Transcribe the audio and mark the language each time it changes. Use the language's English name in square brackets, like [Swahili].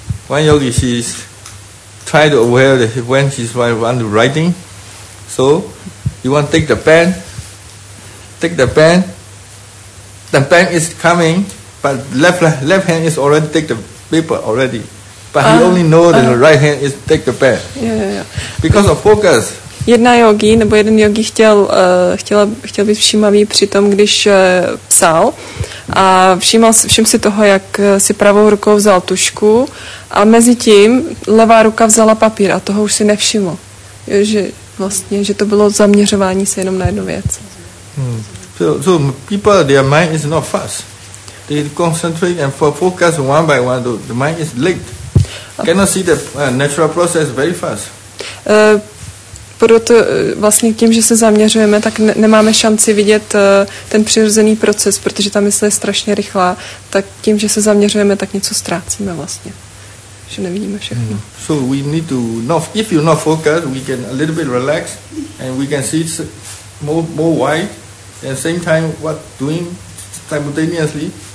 [English] One yogi, she's trying to aware that when she's writing, so you want to take the pen, the pen is coming, but left hand is already take the paper already, but he only know that the right hand is take the pen, because of focus. [Czech] Jedna jogi nebo jeden jogi chtěl být všímavý při tom, když psal a všiml si toho, jak si pravou rukou vzal tušku a mezi tím levá ruka vzala papír a toho už si nevšiml. Jo, že vlastně, že to bylo zaměřování se jenom na jednu věc. [English] So people, their mind is not fast. They concentrate and focus one by one. The mind is late. Cannot see the natural process very fast. [Czech] Proto vlastně tím, že se zaměřujeme, tak nemáme šanci vidět ten přirozený proces, protože ta mysl je strašně rychlá. Tak tím, že se zaměřujeme, tak něco ztrácíme vlastně. Že nevidíme všechno. [English] So we need to not, if you not focus, we can a little bit relax and we can see more wide at the same time what doing simultaneously.